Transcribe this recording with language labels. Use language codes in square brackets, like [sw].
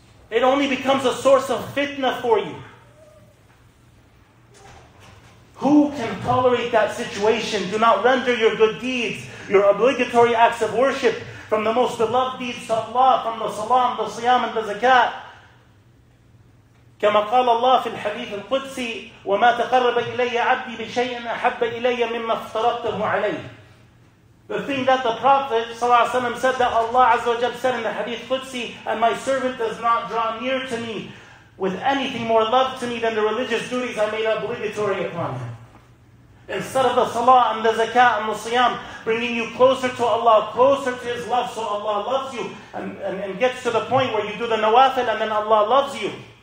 [en] It only becomes a source of fitna for you. Who can tolerate that situation? Do not render your good deeds, your obligatory acts of worship, from the most beloved deeds of Allah, from the salam, the siyam, and the zakat. [ar] كما قال الله في الحديث القدسي وما تقرب إلي عبدي بشيء أحب إلي مما افترضته عليه. [en] The thing that the Prophet [ar] صلى الله عليه وسلم [en] said that Allah [ar] عز وجل [en] said in the Hadith Qudsi, and my servant does not draw near to me with anything more loved to me than the religious duties I made obligatory upon him. Instead of the salah and the zakah and the siyam, bringing you closer to Allah, closer to His love, so Allah loves you, and gets to the point where you do the nawafil and then Allah loves you.